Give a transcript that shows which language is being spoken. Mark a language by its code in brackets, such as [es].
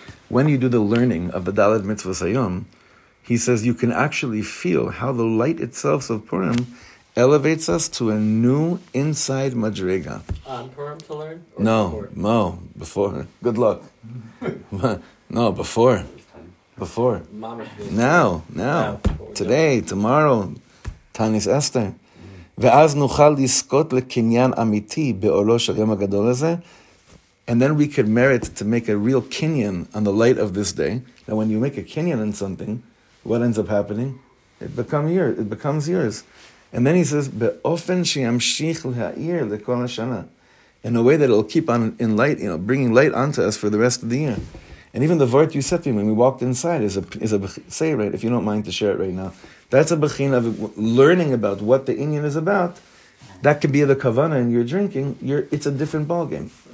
[en] When you do the learning of the Dalet Mitzvos Hayom, he says you can actually feel how the light itself of Purim elevates us to a new inside Madriga. On Purim to learn? No, no, before. Good luck. No, before. Before. Now, now. Today, tomorrow, Tanis Esther. [he] ואז נוכל לזכות לקניין אמיתי באורו של יום הגדול הזה. [en] And then we could merit to make a real kinyan on the light of this day. Now when you make a kinyan on something, what ends up happening? It becomes yours. And then he says, [he] באופן שימשיך להאיר לכל השנה. [en] In a way that it'll keep on in light, you know, bringing light onto us for the rest of the year. And even the vort you said to me when we walked inside is a say right, if you don't mind to share it right now. That's a bechina of learning about what the inyan is about. That could be the kavana and you're drinking. It's a different ballgame.